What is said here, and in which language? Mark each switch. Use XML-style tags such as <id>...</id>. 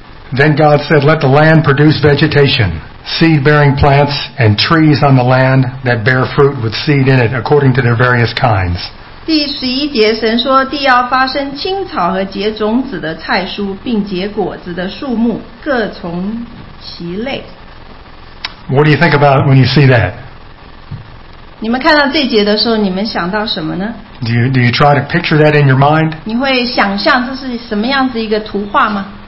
<en>Then God said, "Let the land produce vegetation, seed-bearing plants, and trees on the land that bear fruit with seed in it, according to their various kinds."</en> <zh>第十一节，神说，地要发生青草和结种子的菜蔬，并结果子的树木，各从其类。</zh> <en>What do you think about when you see that?</en> <zh>你们看到这节的时候，你们想到什么呢？</zh> <en>Do you try to picture that in your mind?</en> <zh>你会想象这是什么样子一个图画吗？</zh>